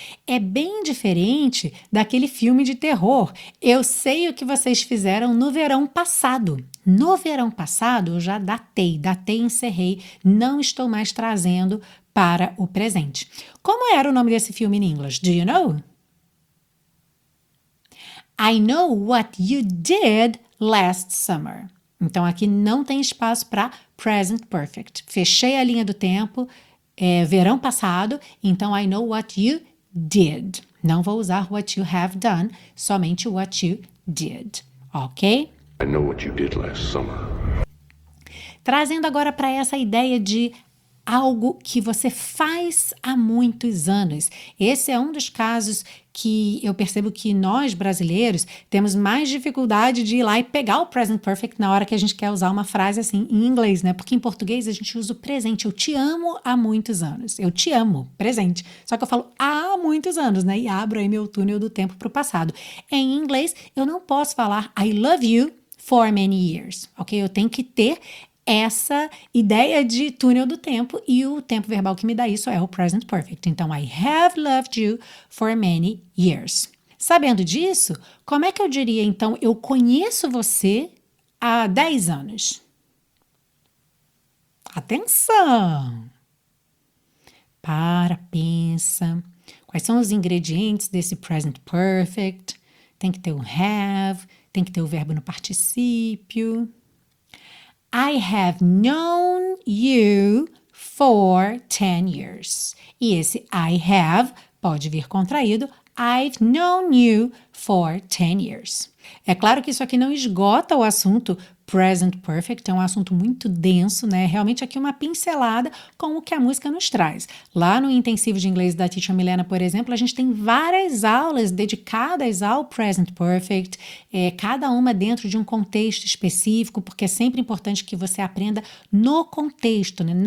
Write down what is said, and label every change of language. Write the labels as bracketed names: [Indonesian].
[Portuguese] É bem diferente daquele filme de terror. Eu sei o que vocês fizeram no verão passado. No verão passado, eu já datei, encerrei, não estou mais trazendo para o presente. Como era o nome desse filme em inglês? [English] Do you know? I know what you did last summer. [Portuguese] Então, aqui não tem espaço para present perfect. Fechei a linha do tempo. É verão passado, então [English] I know what you did. [Portuguese] Não vou usar [English] what you have done, [Portuguese] somente [English] what you did, [Portuguese] ok? [English] I know what you did last summer. [Portuguese] Trazendo agora para essa ideia de algo que você faz há muitos anos. Esse é um dos casos que eu percebo que nós, brasileiros, temos mais dificuldade de ir lá e pegar o present perfect na hora que a gente quer usar uma frase assim em inglês, né? Porque em português a gente usa o presente. Eu te amo há muitos anos. Eu te amo, presente. Só que eu falo há muitos anos, né? E abro aí meu túnel do tempo para o passado. Em inglês, eu não posso falar [English] I love you for many years, [Portuguese] ok? Eu tenho que ter essa ideia de túnel do tempo e o tempo verbal que me dá isso é o present perfect. Então, [English] I have loved you for many years. [Portuguese] Sabendo disso, como é que eu diria, então, eu conheço você há 10 anos? Atenção! Para, pensa. Quais são os ingredientes desse present perfect? Tem que ter o have, tem que ter o verbo no particípio. [English] I have known you for 10 years. [Portuguese] E esse [English] I have [Portuguese] pode vir contraído. [English] I've known you for 10 years. [Portuguese] É claro que isso aqui não esgota o assunto present perfect. É um assunto muito denso, né? Realmente aqui uma pincelada com o que a música nos traz. Lá no intensivo de inglês da Teacher Milena, por exemplo, a gente tem várias aulas dedicadas ao present perfect, cada uma dentro de um contexto específico, porque é sempre importante que você aprenda no contexto, né?